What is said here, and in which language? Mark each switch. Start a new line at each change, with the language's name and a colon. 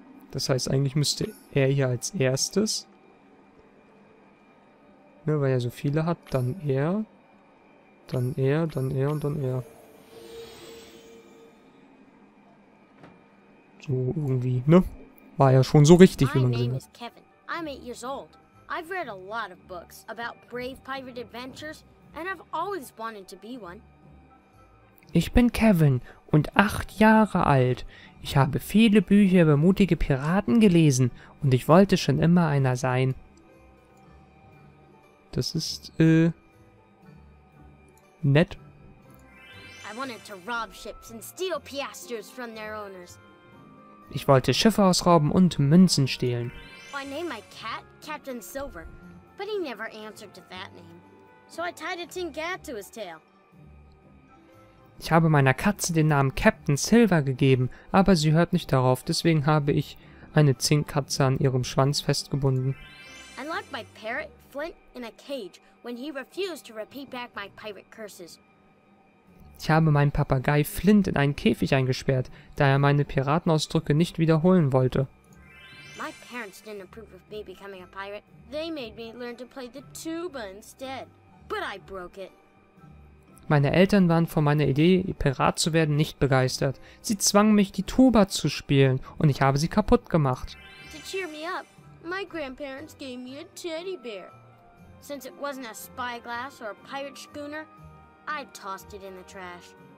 German: Das heißt, eigentlich müsste er hier als erstes... Ne, weil er so viele hat, dann er. Dann er, dann er und dann er. So irgendwie, ne? War ja schon so richtig, wie man gesehen hat.
English: Kevin. I'm 8 years old. I've read a lot of books about brave pirate adventures and I've always wanted to be one.
German: Ich bin Kevin und 8 Jahre alt. Ich habe viele Bücher über mutige Piraten gelesen und ich wollte schon immer einer sein. Das ist nett.
English: I wanted to rob ships and steal piastres from their owners.
German: Ich wollte Schiffe ausrauben und Münzen stehlen.
English: I named my cat Captain Silver, but he never answered to that name. So I tied a tin cat to his tail.
German: Ich habe meiner Katze den Namen Captain Silver gegeben, aber sie hört nicht darauf, deswegen habe ich eine Zinkkatze an ihrem Schwanz festgebunden.
English: I locked my parrot Flint in a cage when he refused to repeat back my pirate curses.
German: Ich habe meinen Papagei Flint in einen Käfig eingesperrt, da er meine Piratenausdrücke nicht wiederholen wollte.
English: My parents didn't approve of me becoming a pirate. They made me learn to play the tuba instead, but I broke it.
German: Meine Eltern waren von meiner Idee, Pirat zu werden, nicht begeistert. Sie zwangen mich, die Tuba zu spielen, und ich habe sie kaputt gemacht.
English: To cheer me up, my grandparents gave me a teddy bear. Since it wasn't a spyglass or a pirate schooner, I tossed it in the trash.